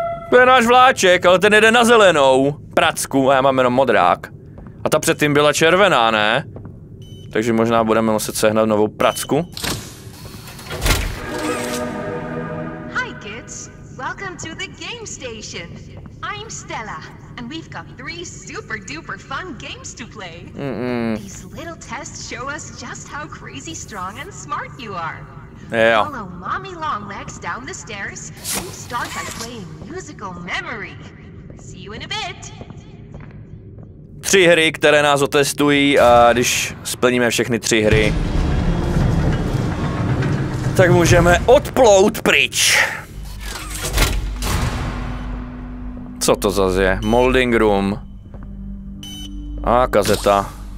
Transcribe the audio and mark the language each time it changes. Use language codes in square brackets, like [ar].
[cs] To je náš vláček, ale ten jede na zelenou pracku a já mám jenom modrák. A ta předtím byla červená, ne? Takže možná budeme muset sehnat novou pracku. [en] Hi kids. Welcome to the game station. I'm Stella and we've got three super duper fun games to play. These little tests show us just how crazy strong and smart you are. Yeah. Follow Mommy Longlegs down the stairs and start by playing Musical Memory. See you in a bit. [cs] Tři hry, které nás otestují a když splníme všechny tři hry, tak můžeme odplout pryč. Co to zase je? [en] Molding room. [cs] A kazeta.